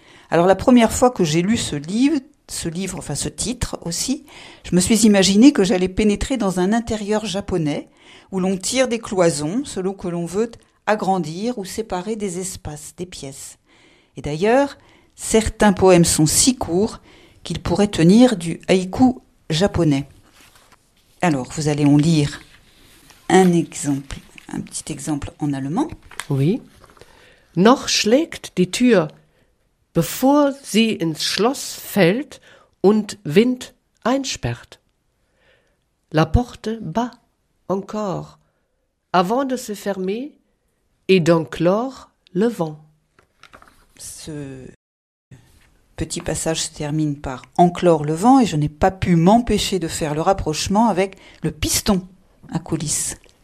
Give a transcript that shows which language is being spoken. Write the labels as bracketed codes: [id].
[fr] Alors la première fois que j'ai lu ce titre aussi, je me suis imaginé que j'allais pénétrer dans un intérieur japonais où l'on tire des cloisons selon que l'on veut agrandir ou séparer des espaces, des pièces. Et d'ailleurs, certains poèmes sont si courts qu'ils pourraient tenir du haïku japonais. Alors, vous allez en lire Un petit exemple en allemand. Oui. [de] Noch schlägt die Tür, bevor sie ins Schloss fällt und Wind einsperrt. [fr] La porte bat encore, avant de se fermer et d'enclore le vent. Ce petit passage se termine par « enclore le vent » et je n'ai pas pu m'empêcher de faire le rapprochement avec le piston à coulisses.